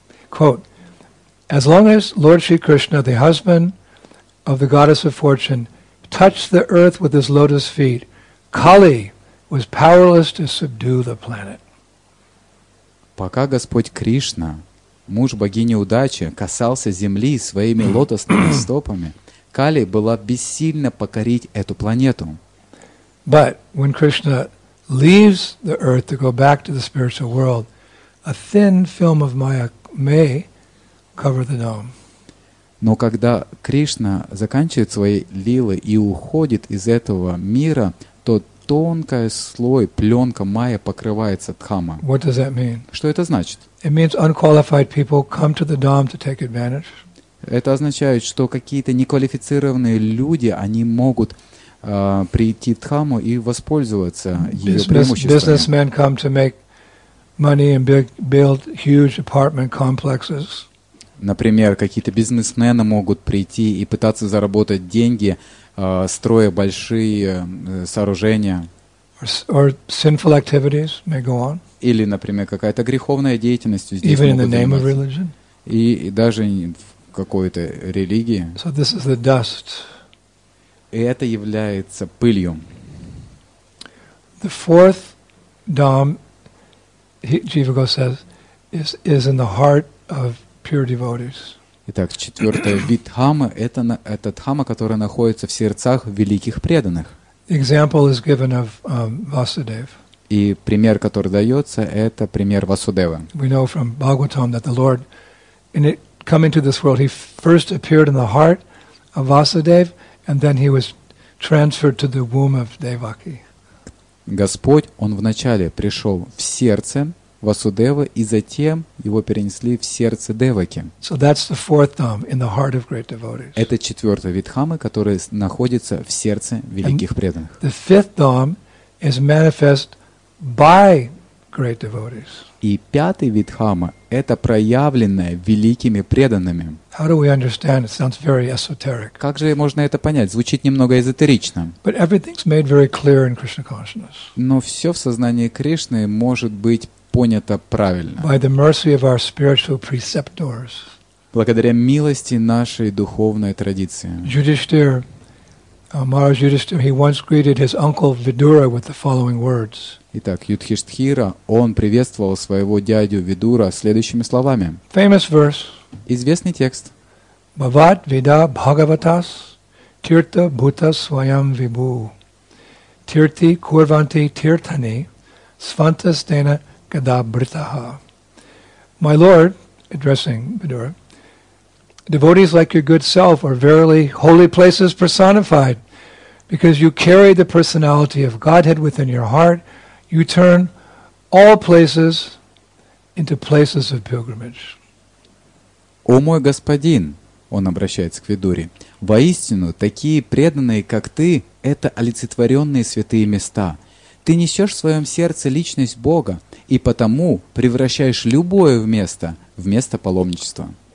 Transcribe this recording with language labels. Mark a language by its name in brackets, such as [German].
[English] Quote, as long as Lord Sri Krishna, the husband of the goddess of fortune, touched the earth with his lotus feet, Kali was powerless to subdue the planet. [Russian] Пока Господь Кришна, муж богини удачи, касался земли своими лотосными стопами, Кали была бессильна покорить эту планету. [English] But when Krishna leaves the earth to go back to the spiritual world, a thin film of Maya may cover the dome. [Russian] Но когда Кришна заканчивает свои лилы и уходит из этого мира, то тонкая слой, пленка майя покрывается дхама. [English] What does that mean? [Russian] Что это значит? [English] It means unqualified people come to the dome to take advantage. [Russian] Это означает, что какие-то неквалифицированные люди, они могут прийти в дхаму и воспользоваться ее преимуществами. [English] Businessmen come to make money and build huge apartment complexes. [Russian] Например, какие-то бизнесмены могут прийти и пытаться заработать деньги, строя большие сооружения. [English] Or sinful activities may go on. [Russian] Или, например, какая-то греховная деятельность здесь. [English] Even in the name of religion. [Russian] И даже в какой-то религии. [English] So this is the dust. [Russian] И это является пылью. [English] The fourth dham, Jiva Goswami says, is in the heart of pure devotees. [Russian] Итак, четвертый вид дхамы – это дхама, которая находится в сердцах великих преданных. [English] Example is given of Vasudev. [Russian] И пример, который дается, это пример Васудева. [English] We know from Bhagavatam that the Lord, in it, coming to this world, he first appeared in the heart of Vasudev, and then he was transferred to the womb of Devaki. [Russian] Господь, Он вначале пришел в сердце Васудевы, и затем Его перенесли в сердце Деваки. [English] So that's the fourth dham in the heart of great devotees. [Russian] Это четвертый вид дхамы, который находится в сердце великих преданных. [English] The fifth dham is manifest by great devotees. [Russian] И пятый вид дхамы – это проявленное великими преданными. [English] How do we understand? It sounds very esoteric. [Russian] Как же можно это понять? Звучит немного эзотерично. [English] But everything's made very clear in Krishna consciousness. [Russian] Но все в сознании Кришны может быть понято правильно. [English] By the mercy of our spiritual preceptors. [Russian] Благодаря милости нашей духовной традиции. [English] Yudhishthir, Maharaj Yudhishthir, he once greeted his uncle Vidura with the following words. [Russian] Итак, Юдхиштхира, он приветствовал своего дядю Видура следующими словами. [English] Famous verse. [Russian] Известный текст. [Sanskrit] Bhavat vida bhagavatas tirtha bhuta svayam vibhu tirthi kurvanti tirthani svantas dena gadabritaha. [English] My lord, addressing Vidura, devotees like your good self are verily holy places personified because you carry the personality of Godhead within your heart. You turn all places into places of pilgrimage. [Russian] О мой господин, он обращается к Видуре, «воистину, такие преданные, как ты, это олицетворенные святые места. Ты несешь в своем сердце личность Бога и потому превращаешь любое место в место паломничества».